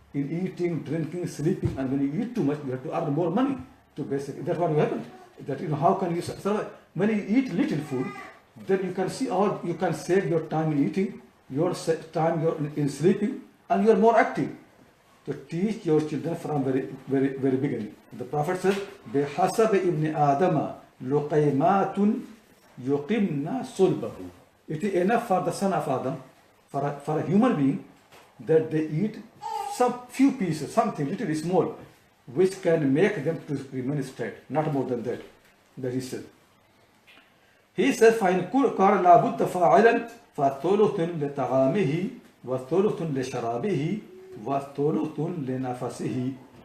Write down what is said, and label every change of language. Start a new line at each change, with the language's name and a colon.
English: In eating, drinking, sleeping, and when you eat too much, you have to earn more money. So basically, that's what will happen. That, you know, how can you survive? When you eat little food, then you can see all, you can save your time in eating, your time in sleeping, and you are more active. So teach your children from very, very, very beginning.
Arabic: The Prophet said, بحسب ابن آدم لقيمات يقمن صلبه.
English: It is enough for the son of Adam, for a human being, that they eat some few pieces, something little small, which can make them to remain straight, not more than that. That he said. He says,
Arabic: فَإِنْ كُرْكَرَ لَابُدَّ فَاعِلًا فَثُلُثٌ لِتَغَامِهِ وَثُلُثٌ لِشَرَابِهِ وَثُلُثٌ لِنَفَسِهِ.